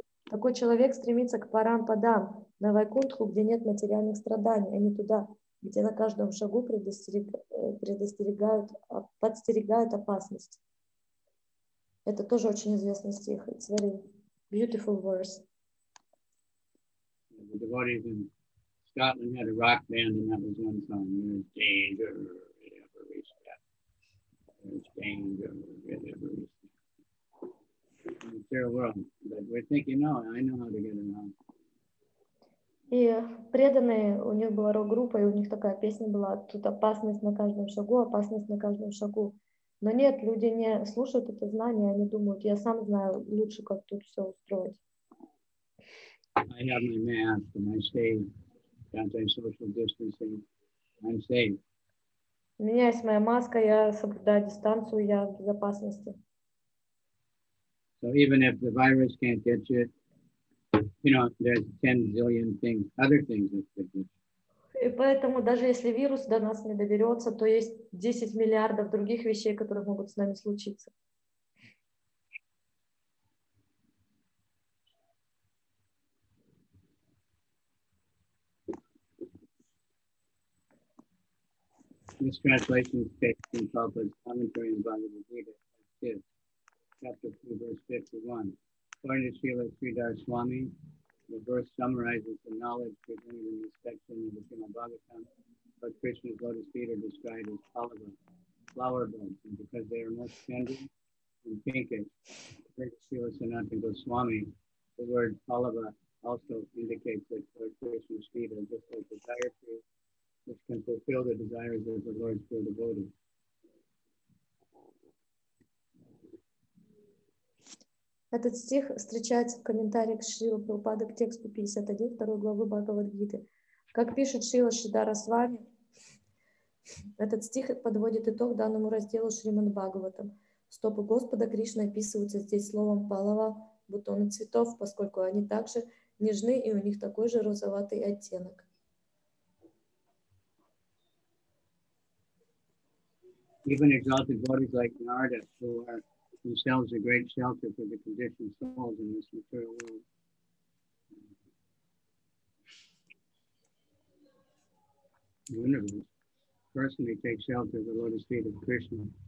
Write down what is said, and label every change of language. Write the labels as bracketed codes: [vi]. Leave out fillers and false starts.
[ru] Такой человек стремится к парам-падам, на Вайкунтху, где нет материальных страданий, а не туда, где на каждом шагу подстерегают опасность. Это тоже очень известный стих. [en] It's very beautiful verse. The devotees in Scotland had a rock band, and that was one song. There's danger at every step. There's danger at every step. In the material world, but we're thinking, no, I know how to get around. [ru] И преданные, у них была рок-группа, и у них такая песня была: тут опасность на каждом шагу, опасность на каждом шагу. Но нет, люди не слушают это знание, они думают, я сам знаю лучше, как тут все устроить. [en] I have my mask, and I stay anti-social distancing. I'm safe. [ru] У меня есть моя маска, я соблюдаю дистанцию, я в безопасности. [en] So even if the virus can't get you, you know, there's 10 zillion things, other things that could get you. [ru] И поэтому даже если вирус до нас не доберется, то есть 10 миллиардов других вещей, которые могут с нами случиться. [en] This translation is based on Prabhupada's commentary on Bhagavad Gita. Chapter 2, verse 51. According to Srila Sridhar Swami, the verse summarizes the knowledge presented in this section of the Srimad Bhagavatam, but Krishna's lotus feet are described as palava, flower buds, and because they are most tender and pinkish, according to Srila Sanatana Goswami, the word palava also indicates that Lord Krishna's feet are just like the fire tree, which can fulfill the desires of the Lord's pure devotees. [ru] Этот стих встречается в комментариях к Шрила Прабхупады к тексту 51, 2 главы Бхагавад-гиты. Как пишет Шрила Шридхара Свами, этот стих подводит итог данному разделу Шримад Бхагаватам. Стопы Господа Кришны описываются здесь словом палава, бутоны цветов, поскольку они также нежны и у них такой же розоватый оттенок. [en] Even exalted bodies like Narada, who are themselves a great shelter for the conditioned souls in this material world. The universe personally takes shelter of the lotus feet of Krishna.